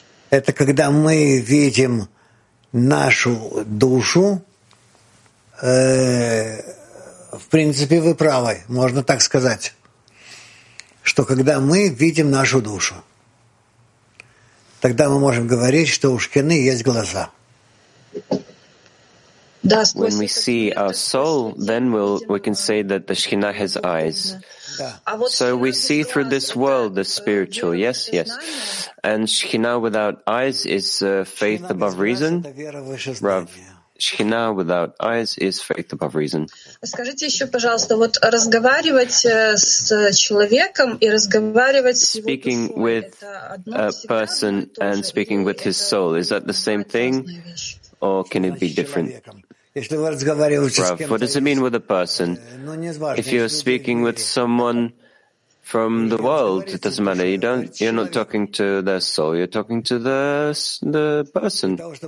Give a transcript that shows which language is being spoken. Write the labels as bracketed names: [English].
[Russian] Это когда мы видим нашу душу. В принципе, вы правы, можно так сказать. Что когда мы видим нашу душу, тогда мы можем говорить, что у шкины есть глаза. [English] When we see our soul, then we can say that the Shekhinah has eyes. So we see through this world, the spiritual, yes, yes. And Shekhinah without eyes is faith above reason. Rav. Шхина without eyes is faith above reason. [Russian] Скажите еще, пожалуйста, вот разговаривать с человеком и разговаривать с его душой. [English] Speaking with a person and speaking with his soul, is that the same thing, or can it be different? Rav, what does it mean with a person? If you're speaking with someone from the world, it doesn't matter. You're not talking to their soul. You're talking to the person.